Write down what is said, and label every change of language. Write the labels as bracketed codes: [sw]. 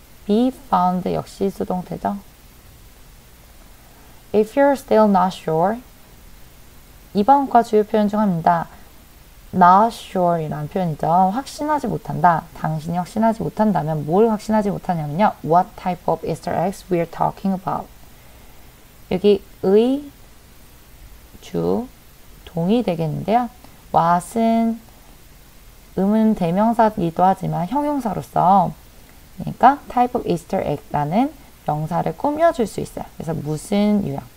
[ko] Be found 역시 수동태죠. [en] If you're still not sure, [ko] 2번과 주요 표현 중 합니다. Not sure이라는 표현이죠. 확신하지 못한다. 당신이 확신하지 못한다면 뭘 확신하지 못하냐면요. [en] What type of Easter eggs we're talking about? [ko] 여기 의, 주, 동이 되겠는데요. What은 의문 대명사이기도 하지만 형용사로서 그러니까 type of Easter egg라는 명사를 꾸며줄 수 있어요. 그래서 무슨 유형?